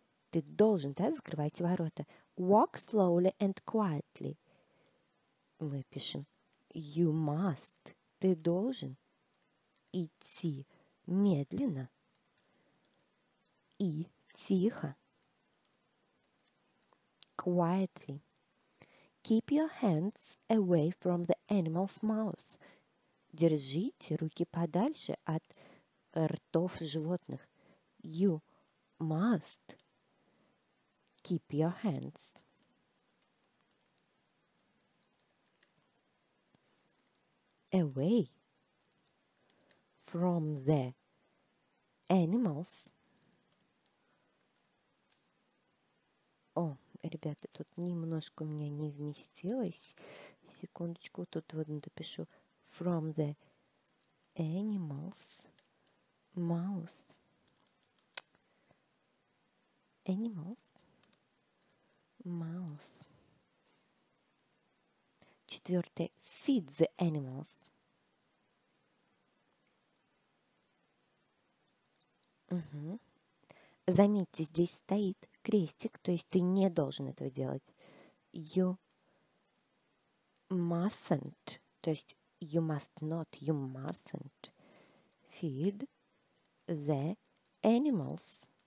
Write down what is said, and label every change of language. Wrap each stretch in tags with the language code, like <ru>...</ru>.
<ru>Ты должен, да, закрывать ворота.</ru> <en>Walk slowly and quietly.</en> <ru>Мы пишем</ru> <en>you must.</en> <ru>Ты должен идти медленно и тихо.</ru> <en>Quietly. Keep your hands away from the animal's mouth.</en> <ru>Держите руки подальше от ртов животных.</ru> <en>You must keep your hands. Away from the animals.</en> <ru>О, ребята, тут немножко у меня не вместилось. Секундочку, тут вот напишу.</ru> <en>From the animals. Mouth. Animals. Mouth.</en> <ru>Четвертое.</ru> <en>Feed the animals. Угу.</en> <ru>Заметьте, здесь стоит крестик, то есть ты не должен этого делать.</ru> <en>You mustn't,</en> <ru>то есть</ru> <en>you must not, you mustn't feed the animals.</en>